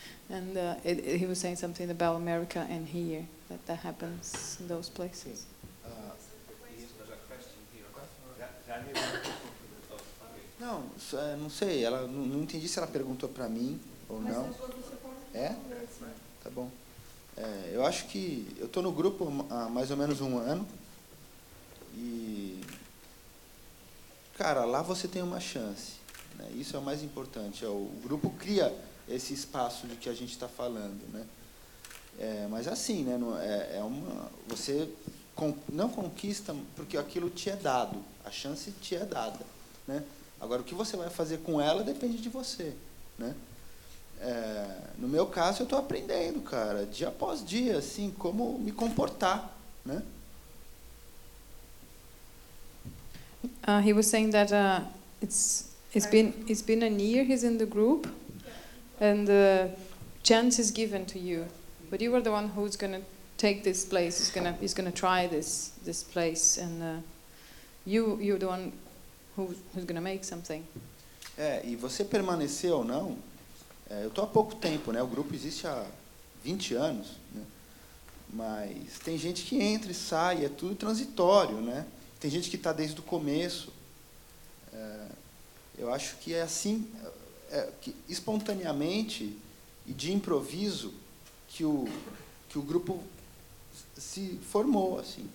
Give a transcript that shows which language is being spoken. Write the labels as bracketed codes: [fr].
[en] And he was saying something about America and here, that that happens in those places. [pt] Não, não sei, ela não entendi se ela perguntou para mim ou não. É? Tá bom. É, eu acho que eu estou no grupo há mais ou menos um ano. E, cara, lá você tem uma chance. Né? Isso é o mais importante. É, o grupo cria esse espaço de que a gente está falando. Né? É, mas assim, né? É uma, você não conquista porque aquilo te é dado. A chance te é dada. Né? Agora, o que você vai fazer com ela depende de você. Né? É, no meu caso, eu estou aprendendo, cara, dia após dia, assim, como me comportar. Né? [en] He was saying that it's been a year he's in the group, and the chance is given to you. But you are the one who's going to take this place, he's going to try this place, and you're the one who's going to make something. [pt] É, e você permanecer ou não, eu tô há pouco tempo, né? O grupo existe há 20 anos, né? Mas tem gente que entra e sai, é tudo transitório, né? Tem gente que está desde o começo. É, eu acho que é assim, que espontaneamente e de improviso que o grupo se formou. Assim.